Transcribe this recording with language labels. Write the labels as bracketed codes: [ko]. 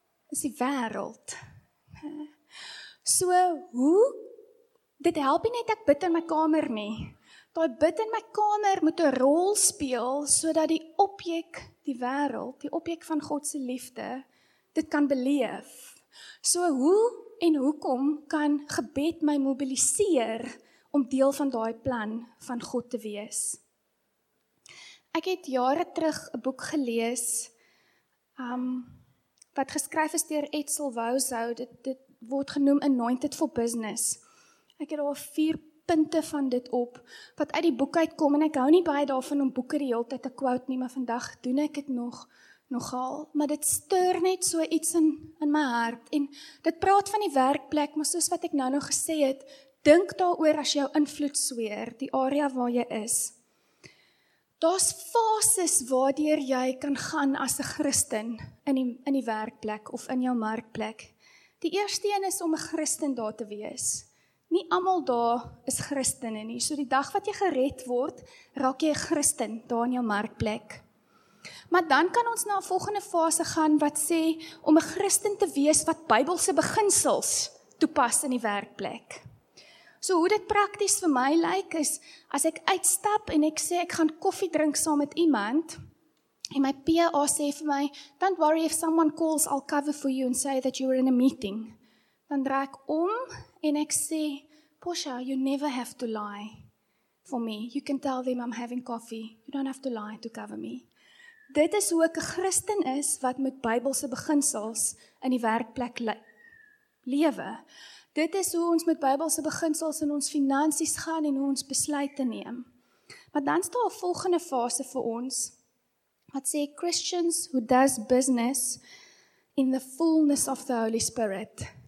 [af] Is die wêreld. So hoe, dit help nie net ek bid in my kamer nie. Daai bid in my kamer moet 'n rol speel sodat die objek, die wêreld, die objek van God se liefde dit kan beleef. So hoe en hoekom kan gebed my mobiliseer om deel van daai plan van God te wees? Ek het jare terug 'n boek gelees wat geskryf is deur Edsel Wouzou. Dit word genoem Anointed for Business. Ek het al 4 punte van dit op wat uit die boek uitkom en ek hou nie baie daarvan om boeke die hele tyd te quote nie, maar vandag doen ek dit nogal, maar dit stuur net so iets in my hart en dit praat van die werkplek, maar soos wat ek nou gesê het, dink daaroor as jou invloed sweer, die area waar jy is. Daar's fases waardeur jy kan gaan as 'n Christen in die werkplek of in jou markplek. Die eerste een is om 'n Christen daar te wees. Nie almal daar is Christene nie. So die dag wat jy gered word, raak jy 'n Christen daar in jou markplek. Maar dan kan ons na 'n volgende fase gaan wat sê om 'n Christen te wees wat Bybelse beginsels toepas in die werkplek. So hoe dit prakties vir my lyk is, as ek uitstap en ek sê ek gaan koffie drink saam met iemand, en my PA sê vir my, [en] don't worry if someone calls, I'll cover for you and say that you were in a meeting. [af] Dan draai ek om en ek sê, Porsche, [en] you never have to lie for me. You can tell them I'm having coffee. You don't have to lie to cover me. [af] Dit is hoe ek 'n Christen is wat met Bybelse beginsels in die werkplek lewe. Dit is hoe ons met Bybelse beginsels in ons finansies gaan en hoe ons besluite neem. Maar dan staan 'n volgende fase vir ons, wat sê [en] Christians who does business in the fullness of the Holy Spirit.